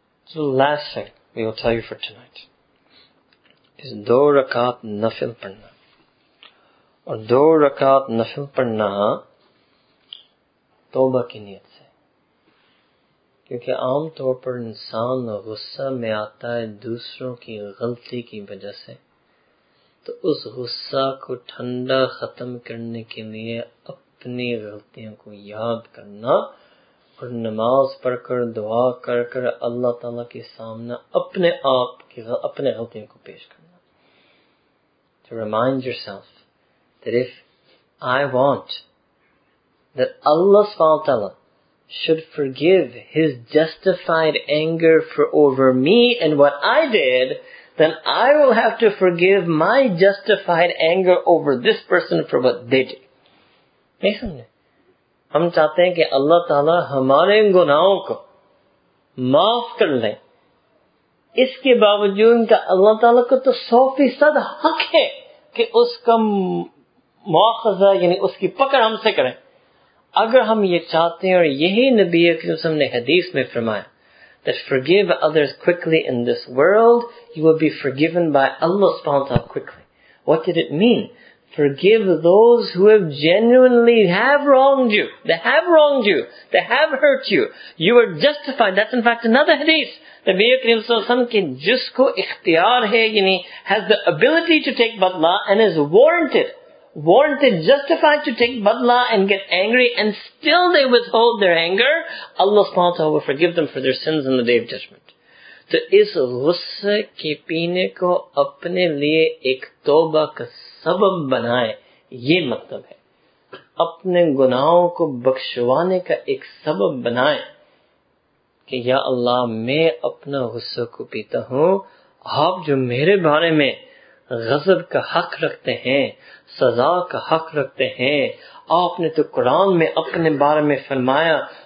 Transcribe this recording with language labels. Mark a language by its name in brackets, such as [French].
[English] The last thing we will tell you for tonight is [Urdu] دو رکعت نفل پڑھنا. اور دو رکعت نفل پڑھنا توبہ کی نیت سے، کیونکہ عام طور پر انسان غصہ میں آتا ہے دوسروں کی غلطی کی وجہ سے، تو اس غصہ کو ٹھنڈا ختم کرنے کے لیے اپنی غلطیوں کو یاد کرنا اور نماز پڑھ کر دعا کر کر اللہ تعالی کے سامنے اپنے آپ کی اپنے غلطیوں کو پیش کرنا. [English] To remind yourself that if I want that Allah subhanahu wa ta'ala should forgive his justified anger for over me and what I did, then I will have to forgive my justified anger over this person for what they did. [Urdu] ہم چاہتے ہیں کہ اللہ تعالیٰ ہمارے گناہوں کو معاف کر لیں، اس کے باوجود کا اللہ تعالیٰ کو تو 100% حق ہے کہ اس کا مؤاخذہ یعنی اس کی پکڑ ہم سے کریں. اگر ہم یہ چاہتے ہیں، اور یہی نبی اکرم نے حدیث میں فرمایا [English] that forgive others quickly in this world you will be forgiven by Allah subhanahu wa ta'ala quickly. What did it mean? Forgive those who have genuinely have wronged you. They have wronged you. They have hurt you. You are justified. That's in fact another hadith. Nabi Akram [Urdu] صلی اللہ علیہ وسلم کی جس کو اختیار ہے، یعنی [English] has the ability to take badla and is warranted, justified to take badla and get angry and still they withhold their anger, Allah سبحانہ وتعالی will forgive them for their sins in the day of judgment. [Urdu] تو اس غصے کے پینے کو اپنے لیے ایک توبہ کا سبب بنائے، یہ مطلب ہے. اپنے گناہوں کو بخشوانے کا ایک سبب بنائے کہ یا اللہ میں اپنا غصہ کو پیتا ہوں، آپ جو میرے بارے میں غضب کا حق رکھتے ہیں، سزا کا حق رکھتے ہیں، آپ نے تو قرآن میں اپنے بارے میں فرمایا